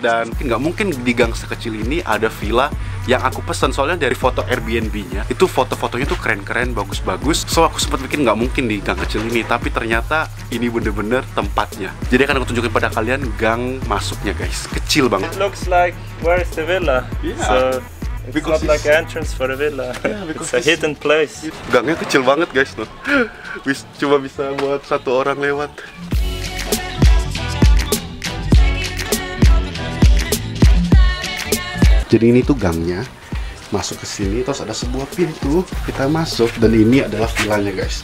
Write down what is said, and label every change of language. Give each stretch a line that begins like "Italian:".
Indonesian: Dan nggak mungkin di gang sekecil ini ada villa yang aku pesan, soalnya dari foto Airbnb-nya itu foto-fotonya tuh keren-keren, bagus-bagus. So aku sempat bikin nggak mungkin di gang kecil ini, tapi ternyata ini bener-bener tempatnya. Jadi akan aku tunjukin pada kalian gang masuknya, guys. Kecil banget.
English: It looks like where is the villa? Yeah. So it's because not like entrance for a villa. Yeah, it's a hidden place.
Indonesian: Gangnya kecil banget, guys. Tuh, cuma bisa buat satu orang lewat. Jadi ini tuh gangnya, masuk ke sini terus ada sebuah pintu, kita masuk dan ini adalah villanya, guys.